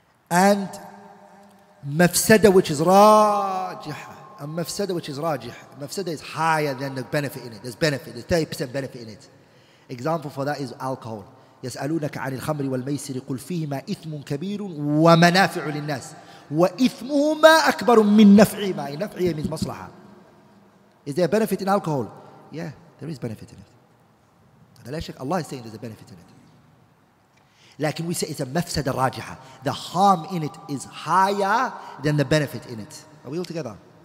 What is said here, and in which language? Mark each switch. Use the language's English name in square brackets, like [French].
[English] And mafsada, which is rajiha. A mafsada, which is rajiha. Mafsada is higher than the benefit in it. There's benefit, there's 30% benefit in it. Example for that is alcohol. [Arabic] يسألونك عن الخمر والميسر قل فيهما إثم كبير ومنافع للناس وإثمهما أكبر من نفعهما. نفعه [English] means [Arabic] مصلحة. [English] Is there a benefit in alcohol? Yeah, there is benefit in it. Allah is saying there's a benefit in it. [Arabic] لكن [English] we say it's a [Arabic] مفسد الراجحة. [English] The harm in it is higher than the benefit in it. Are we all together?